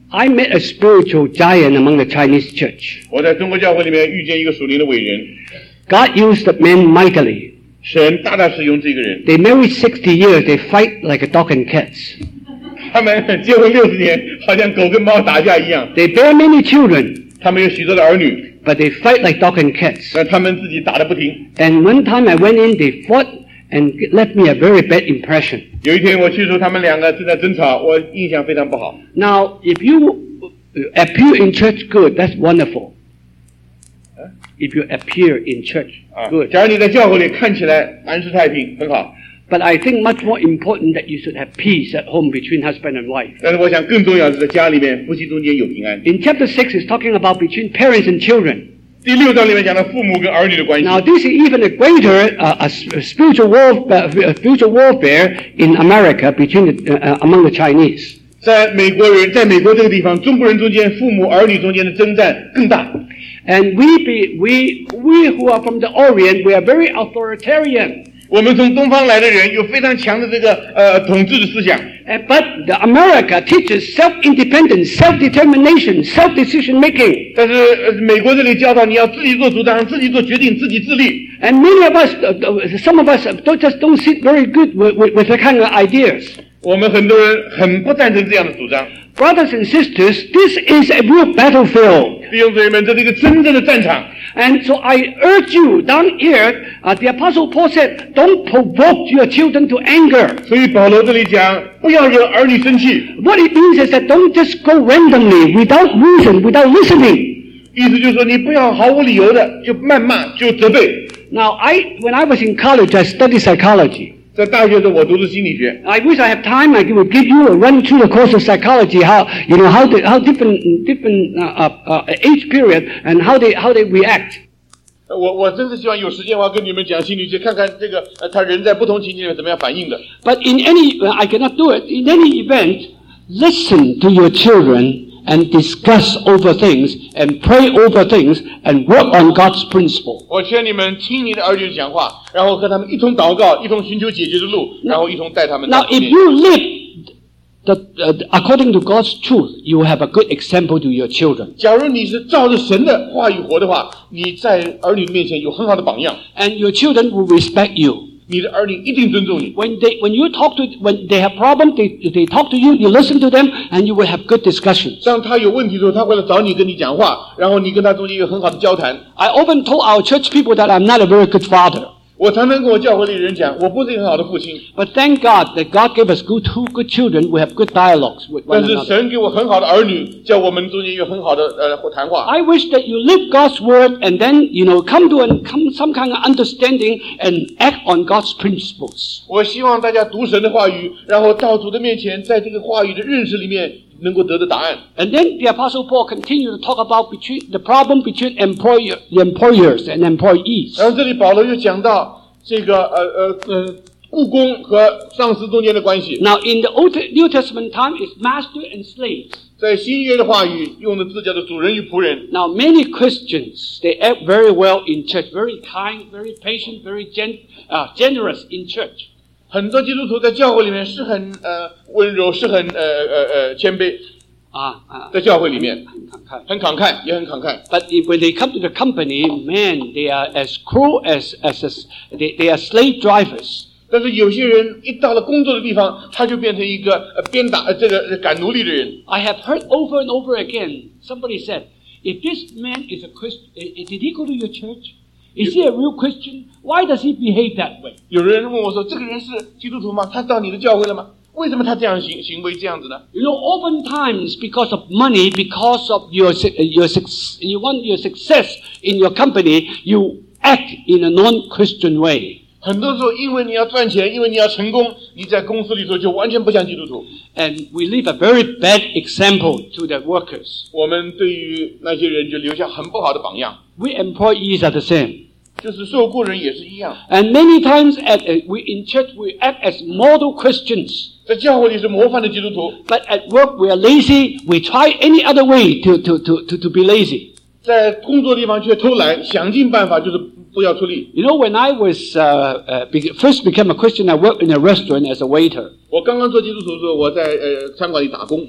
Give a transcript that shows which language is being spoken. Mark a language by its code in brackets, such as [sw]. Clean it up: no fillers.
[en] I met a spiritual giant among the Chinese church. [zh] 我在中国教会里面遇见一个属灵的伟人。 [en] God used the man mightily. [zh] 神大大使用这个人。 [en] They married 60 years, they fight like a dog and cats. [zh] 他们结婚60年，好像狗跟猫打架一样。 [en] They bear many children. [zh] 他们有许多的儿女。 [en] But they fight like dog and cats. [zh] 但他们自己打得不停。 [en] And one time I went in, they fought and left me a very bad impression. [zh] 有一天我去的时候，他们两个正在争吵，我印象非常不好。 [en] Now, if you appear in church good, that's wonderful. If you appear in church good. [zh] 假如你在教会里看起来安适太平，很好。 [en] But I think much more important that you should have peace at home between husband and wife. [zh] 但是我想更重要的是在家里面夫妻中间有平安。 [en] In chapter 6, it's talking about between parents and children. [zh] 第六章里面讲到父母跟儿女的关系。 [en] Now this is even a greater spiritual warfare in America between among the Chinese. [zh] 在美国这个地方，中国人中间父母儿女中间的征战更大。 [en] And we who are from the Orient, we are very authoritarian. [zh] 我们从东方来的人有非常强的这个统治的思想。 [en] But the America teaches self-independence, self-determination, self-decision making. [zh] 但是美国这里教导你要自己做主张，自己做决定，自己自立。 [en] And many of us, some of us don't just don't sit very good with that kind of ideas. [zh] 我们很多人很不赞成这样的主张。 [en] Brothers and sisters, this is a real battlefield. [zh] 弟兄姊妹们，这是一个真正的战场。 [en] And so I urge you down here,the Apostle Paul said, don't provoke your children to anger. [zh] 所以保罗这里讲，不要惹儿女生气。 [en] What it means is that don't just go randomly, without reason, without listening. [zh] 意思就是说你不要毫无理由的就谩骂就责备。 [en] Now, when I was in college, I studied psychology. [zh] 在大学的我读的心理学。 [en] I wish I have time. I would give you a run through the course of psychology. How you know how the, how different age period and how they react. [zh] 我真是希望有时间，我要跟你们讲心理学，看看这个他人在不同情境里面怎么样反应的。 [en] But in any I cannot do it. In any event, listen to your children and discuss over things and pray over things and work on God's principle. [zh] 我劝你们听你的儿女讲话。然后和他们一同祷告，一同寻求解决的路，然后一同带他们。 [en] Now, if you live according to God's truth, you will have a good example to your children. [zh] 假如你是照着神的话语活的话，你在儿女面前有很好的榜样。 [en] And your children will respect you. [zh] 你的儿女一定尊重你。 [en] When they have problems, they talk to you, you listen to them, and you will have good discussions. [zh] 当他有问题的时候，他会来找你跟你讲话，然后你跟他中间有很好的交谈。 [en] I often told our church people that I'm not a very good father. [zh] 我常常跟我教会里人讲，我不是一个很好的父亲。 [en] But thank God that God gave us two good children. We have good dialogues with one another. [zh] 但是神给我很好的儿女，叫我们中间有很好的谈话。 [en] I wish that you live God's word and then you know come to some kind of understanding and act on God's principles. [zh] 我希望大家读神的话语，然后到主的面前，在这个话语的认识里面。能够得的答案。 [en] And then the Apostle Paul continued to talk about the problem between employers and employees. [zh] 然后这里保罗又讲到这个雇工和上司中间的关系。 [en] Now in the Old New Testament time is master and slaves. [zh] 在新约的话语用的字叫做主人与仆人。 [en] Now many Christians they act very well in church, very kind, very patient, very generous in church. [zh] 很多基督徒在教会里面是很温柔，是很谦卑啊，在教会里面很慷慨，也很慷慨。 [en] But when they come to the company, man, they are as cruel as they are slave drivers. [zh] 但是有些人一到了工作的地方，他就变成一个鞭打这个赶奴隶的人。 [en] I have heard over and over again, somebody said, if this man is a Christian, did he go to your church? Is he a real Christian? Why does he behave that way? [zh] 有人问我说，这个人是基督徒吗？他到你的教会了吗？为什么他这样行为这样子呢？ [en] You know, oftentimes because of money, because of you want your success in your company, you act in a non-Christian way. [zh] 很多时候因为你要赚钱，因为你要成功，你在公司里头就完全不像基督徒。 [en] And we leave a very bad example to the workers. [zh] 我们对于那些人就留下很不好的榜样。 [en] We employees are the same. [zh] 就是受雇人也是一样。 [en] And many times at, we in church we act as model Christians. [zh] 在教会里是模范的基督徒。 [en] But at work we are lazy, we try any other way to be lazy. [zh] 在工作地方却偷懒，想尽办法就是不要出力。 [en] You know, when I was, first became a Christian, I worked in a restaurant as a waiter. [zh] 我刚刚做基督徒的时候，我在餐馆里打工。